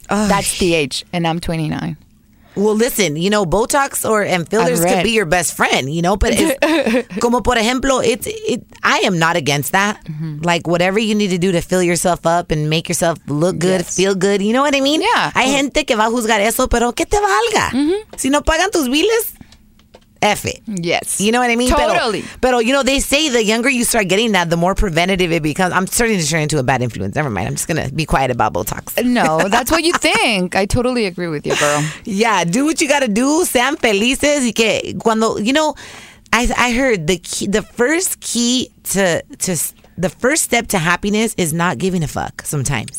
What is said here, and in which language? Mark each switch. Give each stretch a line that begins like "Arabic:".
English: Ugh. That's the age, and I'm 29. Well, listen, you know, Botox and fillers could be your best friend, you know, but it's,
Spanish: como por ejemplo,
English: I am not against that. Mm-hmm. Like, whatever you need to do to fill yourself up and make yourself look good, feel good, you know what I mean? Yeah.
Spanish: Hay gente que va a juzgar eso, pero que te valga. Mm-hmm. Si no pagan tus biles,
English: F it. Yes. You know what I mean? Totally. But you know, they say the younger you start getting that, the more preventative it becomes. I'm starting to turn into a bad influence. Never mind. I'm just going to be quiet about Botox. No, that's what you think. I totally agree with you, girl. Yeah. Do what you got to do.
Spanish: Sean felices. Y que cuando,
English: you know, I heard the first step to happiness is not giving a fuck sometimes.